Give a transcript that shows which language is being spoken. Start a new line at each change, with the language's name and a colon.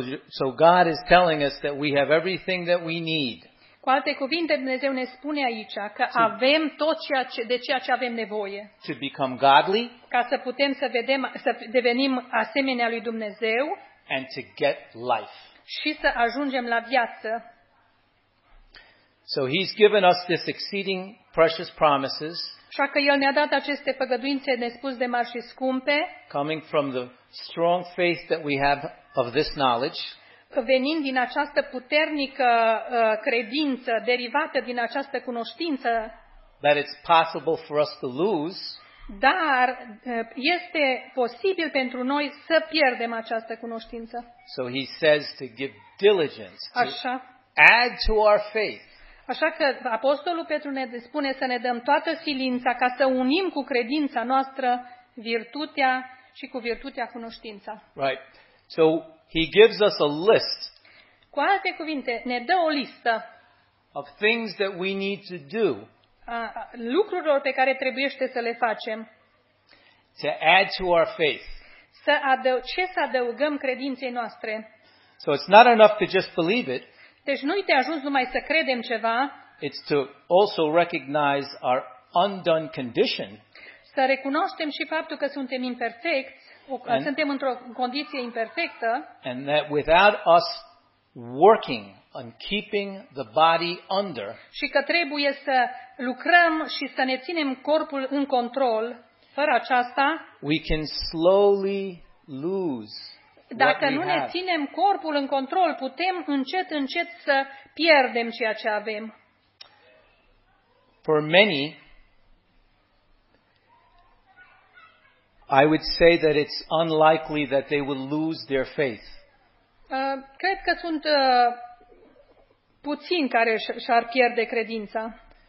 English: So God is telling us that we have everything that we need.
Romanian: Cu alte cuvinte, Dumnezeu ne spune aici că avem tot ceea ce avem nevoie.
English: To become godly,
Romanian: ca să putem să devenim asemenea lui Dumnezeu.
English: And to get life.
Romanian: Și să ajungem la viață.
English: So he's given us this exceeding precious promises.
Romanian: Așa că el ne-a dat aceste făgăduințe nespus de mari și scumpe.
English: Coming from the strong faith that we have of this knowledge.
Romanian: Venind din această puternică credință derivată din această cunoștință,
English: that it's possible for us to lose,
Romanian: dar este posibil pentru noi să pierdem această cunoștință.
English: So he says to give diligence,
Romanian: așa,
English: to add to our faith.
Romanian: Așa că apostolul Petru ne spune să ne dăm toată silința ca să unim cu credința noastră virtutea și cu virtutea cunoștința.
English: Right. So he gives us a list.
Romanian: Cu alte cuvinte, ne dă o listă.
English: Of things that we need to do.
Romanian: Lucrurilor pe care trebuiește să le facem.
English: To add to our faith.
Romanian: Ce să adăugăm credinței noastre.
English: So it's not enough to just believe it.
Romanian: Deci nu-i te ajuns numai să credem ceva.
English: It's to also recognize our undone condition.
Romanian: Să recunoaștem și faptul că suntem imperfecți. Suntem într-o condiție imperfectă.
English: And that without us working on keeping the body under.
Romanian: Și că trebuie să lucrăm și să ne ținem corpul în control. Fără aceasta,
English: we can slowly lose.
Romanian: Dacă nu ne
English: have.
Romanian: Ținem corpul în control, putem încet încet să pierdem ceea ce avem.
English: For many, I would say that it's unlikely that they will lose their faith.
Romanian: Cred că sunt puțini care și-ar pierde credința.